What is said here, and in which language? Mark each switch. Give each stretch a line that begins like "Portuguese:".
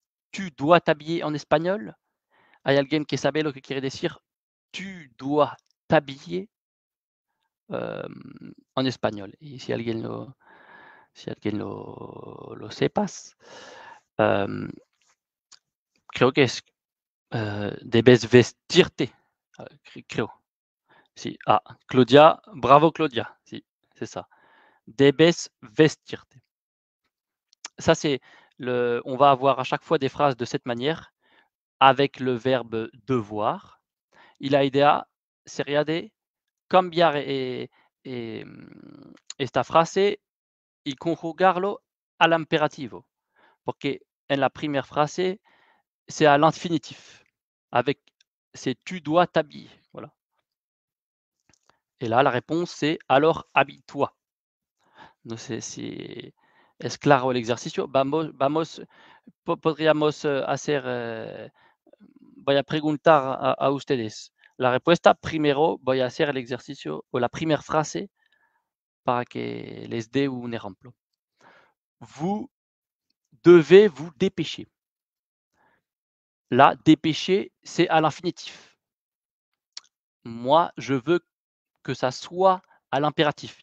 French: Tu dois t'habiller en espagnol.
Spanish: Hay alguien que sabe lo que quiere decir?
French: Tu dois t'habiller en espagnol.
Spanish: Et si alguien lo. Si alguien lo sepas, creo que es debes vestirte. Creo. Sí. Ah, Claudia, bravo Claudia. Sí,
French: c'est ça.
Spanish: Debes vestirte.
French: Ça, c'est le. On va avoir à chaque fois des phrases de cette manière avec le verbe devoir.
Spanish: Y la idea sería de cambiar esta frase. Y conjugarlo al imperativo. Porque en la primera frase,
French: c'est à l'infinitif. Avec, c'est tu dois t'habiller. Voilà. Et là, la réponse, c'est alors habille-toi.
Spanish: No sé si es claro el ejercicio. Vamos, podríamos hacer. Voy a preguntar a ustedes la respuesta. Primero, voy a hacer el ejercicio o la primera frase. Para que les dé un exemple.
French: Vous devez vous dépêcher. Là, dépêcher, c'est à l'infinitif. Moi, je veux que ça soit à l'impératif.